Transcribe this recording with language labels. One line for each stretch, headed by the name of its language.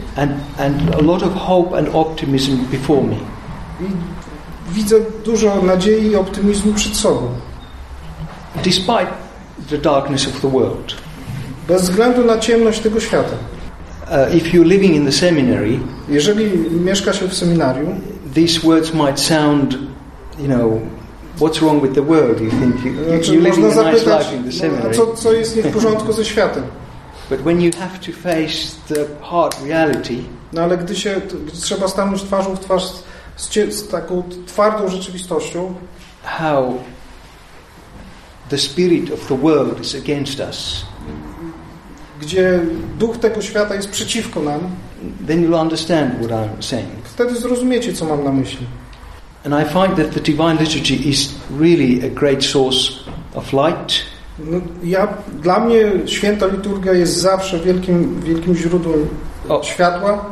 English: And a lot of hope and optimism before me.
Polish: I widzę dużo nadziei i optymizmu przed sobą.
English: Despite the darkness of the world.
Polish: Bez względu na ciemność tego świata.
English: If you're living in the seminary,
Polish: jeżeli mieszka się w seminarium,
English: these words might sound, you know, what's wrong with the world? You think you're living a nice life in the seminary.
Polish: A co jest nie w porządku ze światem?
English: But when you have to face the hard reality,
Polish: no ale gdy się trzeba stanąć twarzą w twarz z taką twardą rzeczywistością,
English: how the spirit of the world is against us,
Polish: gdzie duch tego świata jest przeciwko nam,
English: then you'll understand what I'm saying.
Polish: Wtedy zrozumiecie, co mam na myśli.
English: And I find that the Divine Liturgy is really a great source of light.
Polish: No, ja, dla mnie święta liturgia jest zawsze wielkim, wielkim źródłem światła,